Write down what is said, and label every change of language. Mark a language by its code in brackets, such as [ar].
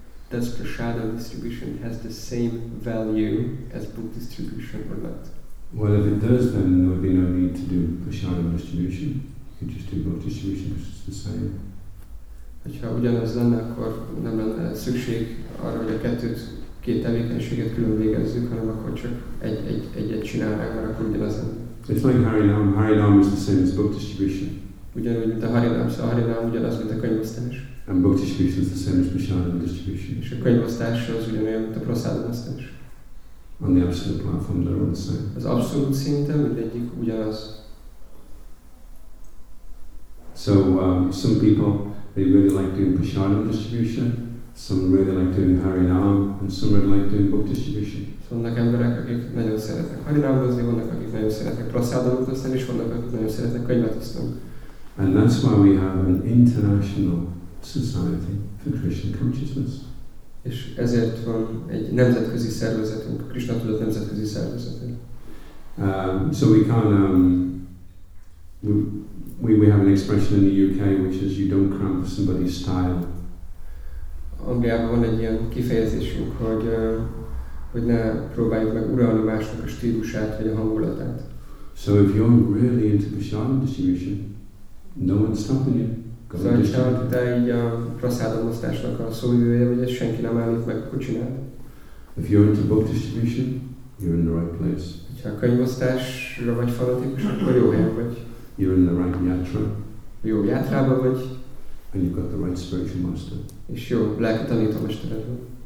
[en] Does prasadam distribution has the same value as book distribution or not? Well, if it does, then there would be no need to do prasadam distribution. You could just do both distribution, because it's the same. [hu] Hogyha ugyanaz lenne, akkor nem lenne szükség arra, hogy a kettőt, két tevékenységet külön végezzük, hanem akkor csak egyet csinálnánk, mert akkor ugyanaz lenne. [en] It's like Harinam. Harinam is the same as book distribution. [hu] Ugyanúgy, mint a Harinam, szóval Harinam ugyanaz, mint a könyvosztás. [en] And book distribution is the same as Prasadam distribution. [hu] És a könyvosztás az ugyanolyan, mint a Prasadam osztás. [en] On the absolute platform, they're all the same. [hu] Az abszolút szinten mindegyik ugyanaz. [en] So some people, they really like doing Prasadam distribution, some really like doing Harinam, and some really like doing book distribution. [hu] Vannak emberek, akik nagyon szeretnek Harinamozni, vannak, akik nagyon szeretnek Prasadam osztani, és vannak, akik nagyon szeretnek könyvet osztani. [en] And that's why we have an international society for Krishna consciousness. [hu] És ezért van egy nemzetközi szervezetünk, Krishna tudat nemzetközi szervezetünk. [en] So we can we have an expression in the UK which is you don't cram for somebody's style. [hu] Angliában van egy ilyen kifejezésünk, hogy ne próbáljuk meg uralni másnak a stílusát vagy a hangulatát. [en] So if you're really into Prasadam distribution, no one's stopping you. [hu] Szóval, hogyha te így a Prasadam osztásnak a szóvivője vagy, ezt senki nem állít meg, akkor csináld. [en] If you're into book distribution, you're in the right place. [hu] Hogyha a könyvosztásra vagy fanatikus, akkor jó helyen vagy. [en] You're in the right yatra. [hu] Jó yatrában vagy. [en] And you've got the right spiritual master. [hu] És jó lelki tanítómestered van.